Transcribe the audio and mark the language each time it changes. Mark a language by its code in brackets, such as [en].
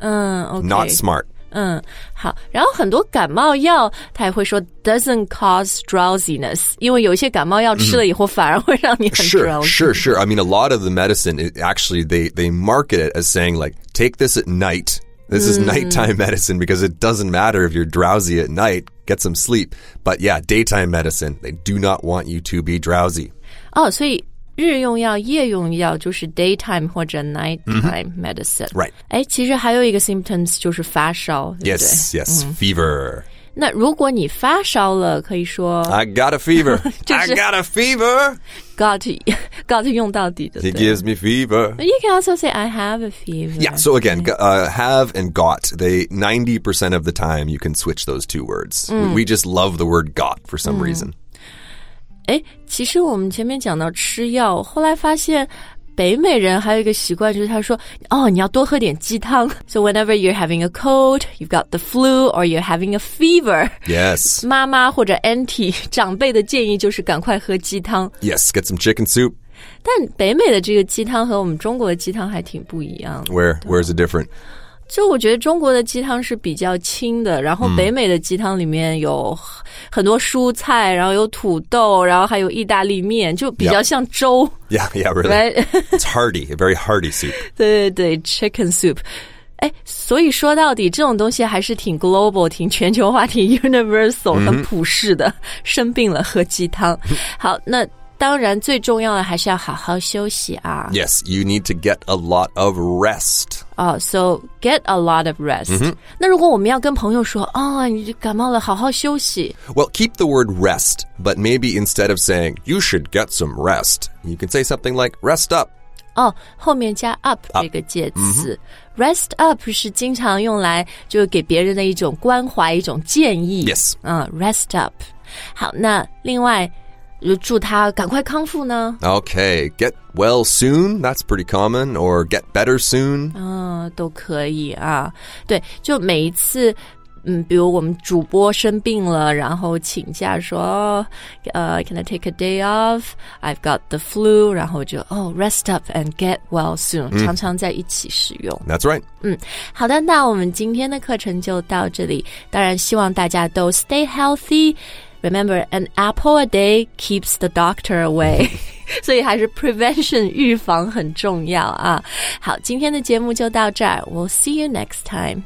[en] Okay. Not smart. [zh] 好，然后很多感冒药他也会说 [en] doesn't cause drowsiness, [zh] 因为有一些感冒药吃了以后反而会让你很 drowsy. [en] Sure. I mean, a lot of the medicine, they market it as saying, like, take this at night. This is nighttime medicine because it doesn't matter if you're drowsy at night, get some sleep. But yeah, daytime medicine, they do not want you to be drowsy. [zh] 所以日用药、夜用药就是 daytime 或者 nighttime medicine. [en] Mm-hmm. Right. [zh] 诶，其实还有一个 symptoms 就是发烧，对不对？ [en] Yes, yes, fever. [zh] 那如果你发烧了，可以说 [en] I got a fever. [zh] 就是 [en] I got a fever. [zh] Got 用到底的。 [en] He gives me fever. You can also say I have a fever. Yeah, so again,、okay. Have and got, they 90% of the time you can switch those two words.、We just love the word got for some reason. [zh] 诶，其实我们前面讲到吃药，后来发现北美人还有一个习惯，就是他说，哦，你要多喝点鸡汤。 [en] So whenever you're having a cold, you've got the flu, or you're having a fever. Yes. [zh] 妈妈或者 auntie, 长辈的建议就是赶快喝鸡汤。 [en] Yes, get some chicken soup. [zh] 但北美的这个鸡汤和我们中国的鸡汤还挺不一样的。 [en] Where is it different? [zh] 就我觉得中国的鸡汤是比较清的，然后北美的鸡汤里面有很多蔬菜，然后有土豆，然后还有意大利面，就比较像粥。 [en] Yeah, really. It's hearty, a very hearty soup. [zh] 对对对 ,chicken soup. 所以说到底这种东西还是挺 global, 挺全球化，挺 universal, 很普世的、mm-hmm. 生病了喝鸡汤。好，那当然最重要的还是要好好休息啊。 [en] Yes, you need to get a lot of rest. Oh, so get a lot of rest.、 Mm-hmm. [zh] 那如果我们要跟朋友说、oh, 你感冒了好好休息。 [en] Well, keep the word rest, but maybe instead of saying, you should get some rest, you can say something like rest up. [zh] 哦、oh, 后面加 up 这个介词、mm-hmm. Rest up 是经常用来就给别人的一种关怀一种建议 [en] Yes、 [zh] Rest up 好那另外祝他赶快康复呢 [en] Okay, get well soon That's pretty common Or get better soon、 [zh] 都可以啊对就每一次嗯，比如我们主播生病了，然后请假说， [en] Can I take a day off? I've got the flu. [zh] 然后就， [en] Oh, rest up and get well soon.、Mm. [zh] 常常在一起使用。 [en] That's right. [zh] 嗯，好的，那我们今天的课程就到这里。当然，希望大家都 [en] stay healthy. Remember, an apple a day keeps the doctor away. [zh] 所以还是 prevention 预防很重要啊。好，今天的节目就到这儿。 [en] We'll see you next time.